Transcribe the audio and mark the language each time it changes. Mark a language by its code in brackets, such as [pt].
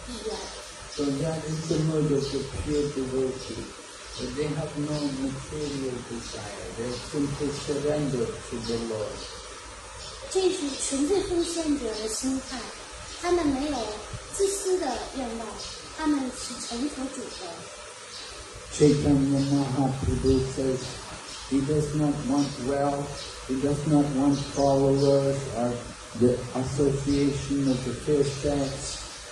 [en] So that is the mode of the pure devotee, but they have no material desire. They simply surrender to the Lord. [zh] 这是纯粹奉献者的心态，他们没有自私的愿望，他们是臣服主的。 [en] Chaitanya Mahaprabhu says, he does not want wealth, he does not want followers or the association of the fair sex.